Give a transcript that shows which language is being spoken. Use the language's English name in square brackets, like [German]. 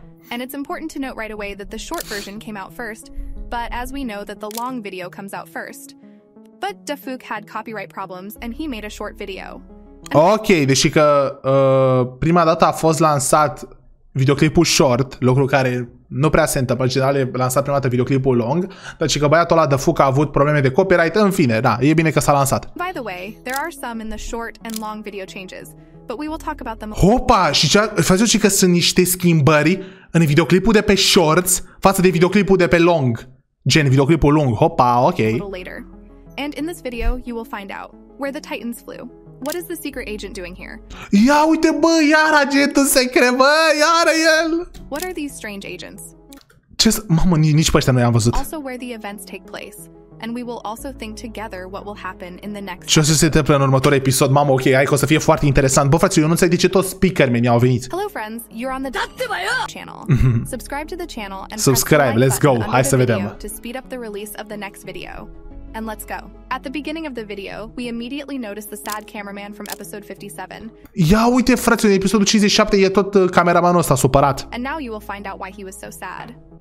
[English] And it's important to note right away that the short version came out first, but as we know that the long video comes out first. But Dafuk had copyright problems and he made a short video. [Romanian] Ok, deși că prima dată a fost lansat videoclipul short, lucru care nu prea se întâmplă, în general e lansat prima dată videoclipul lung, deci că băiatul ăla Dafuk a avut probleme de copyright, în fine, da, e bine că s-a lansat. [English] By the way, there are some in the short and long video changes, but we will talk about them. [Romanian] Hopa, și ce faceți că sunt niște schimbări în videoclipul de pe shorts față de videoclipul de pe long. Gen videoclipul lung. Hopa, ok. [English] And in this video, you will find out where the Titans flew. What is the secret agent doing here? [Romanian] Ia uite, bă, iar agentul secret, bă, iar el. [English] What are these strange agents? [Romanian] Ce, mamă, nici pe ăștia nu i-am văzut. [English] Also where the events take place. And we will also think together what will happen in the next. [Romanian] Ce o să se întâmple în următorul episod? Mamă, ok, hai că o să fie foarte interesant. Bă, frate, eu nu înțeleg de ce toți speakermeni au venit. [English] Hello friends, you're on the channel. Subscribe to the channel and subscribe. Let's go. [Romanian] Hai să vedem. [English] To speed up the release of the next video. And let's go. At the beginning of the video, we immediately notice the sad cameraman from episode 57. [Romanian] Ia uite, frate, în episodul 57 e tot cameramanul ăsta supărat. [English] And now you will find out why he was so sad.